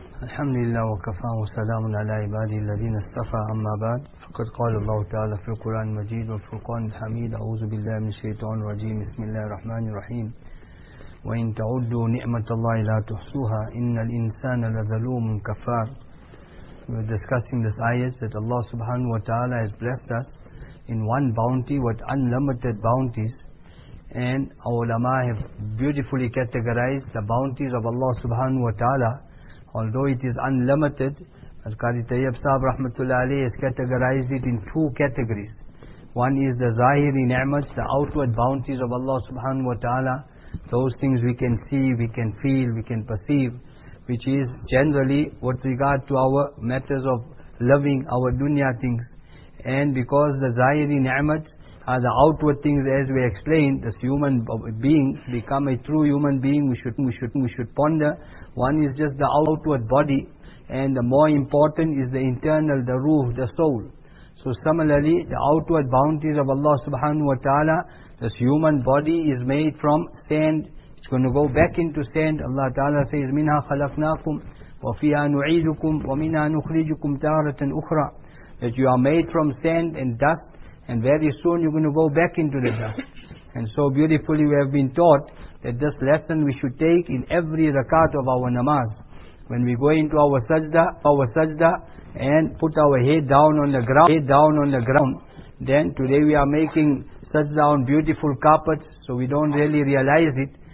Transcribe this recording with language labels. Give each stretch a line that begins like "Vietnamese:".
Arabic: الحمد لله وكفى وسلام على عباده الذين اصطفى أما بعد فقد قال الله تعالى في القرآن المجيد والفرقان الحميد أعوذ بالله من الشيطان الرجيم بسم الله الرحمن الرحيم وإن تعدوا نعمة الله لا تحصوها إن الإنسان لظلوم كفار.
English: We are discussing this ayah that Allah subhanahu wa ta'ala has blessed us in one bounty with unlimited bounties, and our ulama have beautifully categorized the bounties of Allah subhanahu wa ta'ala. Although it is unlimited, as Qadi Tayyab Sahib rahmatullah alayhi has categorized it in two categories. One is the zahiri ni'mat, the outward bounties of Allah subhanahu wa ta'ala, those things we can see, we can feel, we can perceive, which is generally with regard to our matters of living, our dunya things. And because the zahiri ni'mat are the outward things, as we explained, this human being become a true human being, we should ponder. One is just the outward body, and the more important is the internal, the ruh, the soul. So similarly, the outward bounties of Allah subhanahu wa ta'ala, this human body is made from sand. It's going to go back into sand. Allah ta'ala says,
Arabic: مِنْهَا خَلَقْنَاكُمْ وَفِيهَا نُعِيدُكُمْ وَمِنْهَا نُخْرِجُكُمْ تَارَةً أُخْرَى.
English: That you are made from sand and dust, and very soon you're going to go back into the dust. And so beautifully we have been taught that this lesson we should take in every rakat of our namaz. When we go into our sajda, and put our head down on the ground, then today we are making sajda on beautiful carpets, so we don't really realize it.